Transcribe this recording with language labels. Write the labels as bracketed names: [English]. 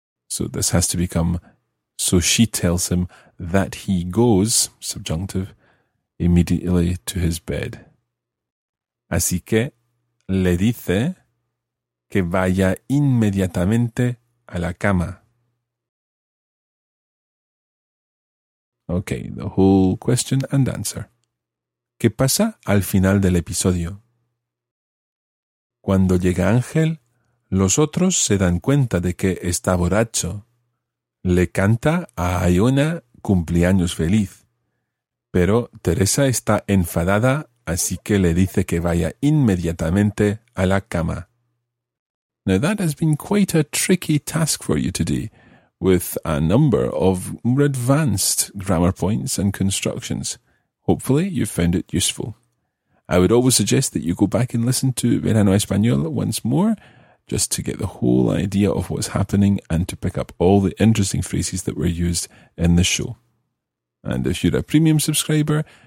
[English] So this has to become, so she tells him that he goes, subjunctive, immediately to his bed. [Spanish] Así que le dice que vaya inmediatamente a la cama. [English] Okay, the whole question and answer. [Spanish] ¿Qué pasa al final del episodio? Cuando llega Ángel, los otros se dan cuenta de que está borracho. Le canta a Ayona cumpleaños feliz. Pero Teresa está enfadada, así que le dice que vaya inmediatamente a la cama. [English] Now that has been quite a tricky task for you today, with a number of more advanced grammar points and constructions. Hopefully you found it useful. I would always suggest that you go back and listen to Verano Español once more, just to get the whole idea of what's happening and to pick up all the interesting phrases that were used in the show. And if you're a premium subscriber,